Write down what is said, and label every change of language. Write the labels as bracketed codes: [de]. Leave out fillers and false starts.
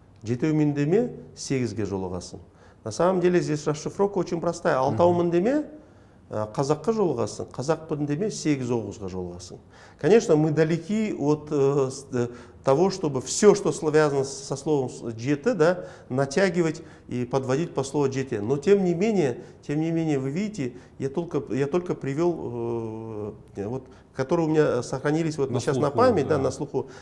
[kk] «Жетеу міндеме, сегізге жолығасын». [ru] На самом деле здесь расшифровка очень простая. [kk] «Алтау міндеме, казаққа жолығасын». «Казақ міндеме, сегіз-оғызға жолығасын». [ru] Конечно, мы далеки от того, чтобы все, что связано со словом «жеті», да, натягивать и подводить по слову «жеті». Но тем не менее, вы видите, я только привел, вот, которые у меня сохранились вот на сейчас слуху, на память, да, на слуху.